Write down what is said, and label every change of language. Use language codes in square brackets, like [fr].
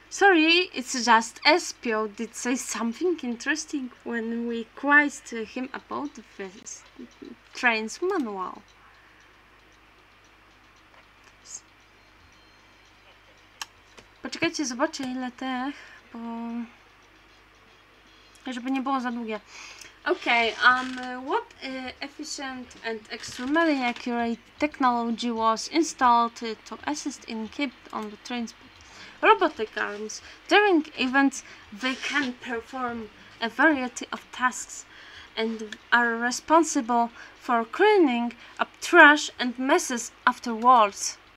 [en] Sorry, it's just Espio did say something interesting when we quizzed him about the train's manual. [pl] Poczekajcie, zobaczę ile tych, bo... Żeby nie było za długie. [en] Okay, what efficient and extremely accurate technology was installed to assist in keep on the train's... Robotic arms. During events, they can perform a variety of tasks and are responsible for cleaning up trash and messes afterwards.